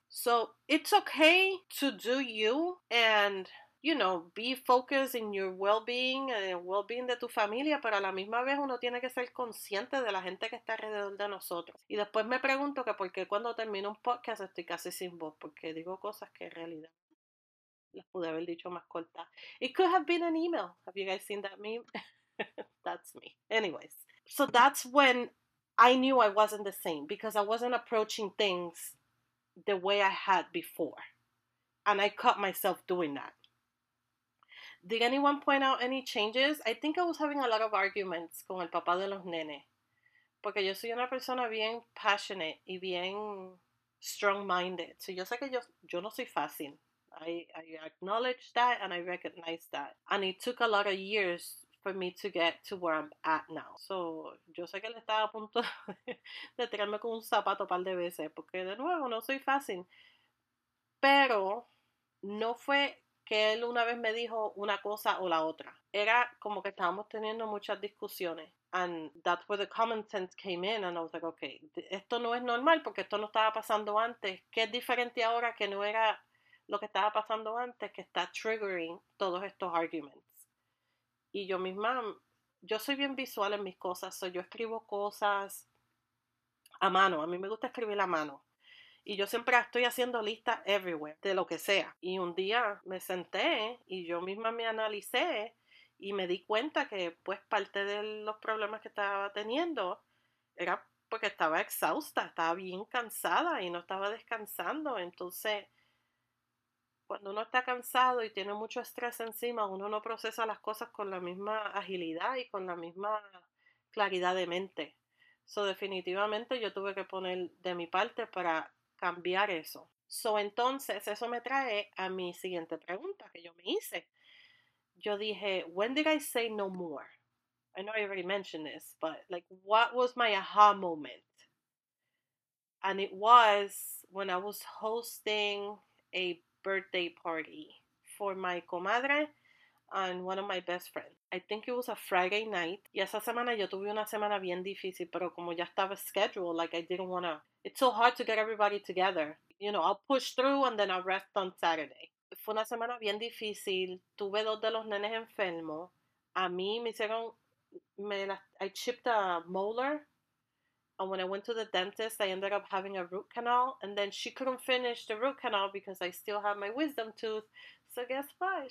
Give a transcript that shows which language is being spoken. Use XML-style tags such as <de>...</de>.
<en>So, it's okay to do you and, you know, be focused in your well-being and the well-being</en> <es>de tu familia, pero a la misma vez uno tiene que ser consciente de la gente que está alrededor de nosotros. Y después me pregunto que por qué cuando termino un podcast estoy casi sin voz, porque digo cosas que en realidad las pude haber dicho más cortas.</es> <en>It could have been an email. Have you guys seen that meme? That's me. Anyways, so that's when I knew I wasn't the same because I wasn't approaching things the way I had before. And I caught myself doing that. Did anyone point out any changes? I think I was having a lot of arguments</en> <es>con el papá de los nenes. Porque yo soy una persona bien passionate y bien strong-minded. So yo sé que yo no soy fácil.</es> <en>I acknowledge that and I recognize that. And it took a lot of years for me to get to where I'm at now.</en> <es>So yo sé que él estaba a punto de tirarme con un zapato un par de veces. Porque de nuevo, no soy fácil. Pero no fue que él una vez me dijo una cosa o la otra. Era como que estábamos teniendo muchas discusiones.</es> <en>And that's where the common sense came in. And I was like, okay,</en> <es>esto no es normal porque esto no estaba pasando antes. ¿Qué es diferente ahora que no era lo que estaba pasando antes que está triggering todos estos arguments? Y yo misma, yo soy bien visual en mis cosas. So yo escribo cosas a mano. A mí me gusta escribir a mano. Y yo siempre estoy haciendo listas everywhere, de lo que sea. Y un día me senté y yo misma me analicé y me di cuenta que pues parte de los problemas que estaba teniendo era porque estaba exhausta, estaba bien cansada y no estaba descansando. Entonces, cuando uno está cansado y tiene mucho estrés encima, uno no procesa las cosas con la misma agilidad y con la misma claridad de mente. So, definitivamente yo tuve que poner de mi parte para cambiar eso. So, entonces, eso me trae a mi siguiente pregunta que yo me hice. Yo dije,</es> <en>when did I say no more? I know I already mentioned this, but like, what was my aha moment? And it was when I was hosting a birthday party for my comadre and one of my best friends. I think it was a Friday night.</en> <es>Y esa semana yo tuve una semana bien difícil, pero como ya estaba scheduled,</es> <en>like, I didn't want to. It's so hard to get everybody together. You know, I'll push through and then I'll rest on Saturday.</en> <es>Fue una semana bien difícil. Tuve dos de los nenes enfermos. A mí me hicieron,</es> <en>I chipped a molar. And when I went to the dentist, I ended up having a root canal. And then she couldn't finish the root canal because I still have my wisdom tooth. So guess what?</en>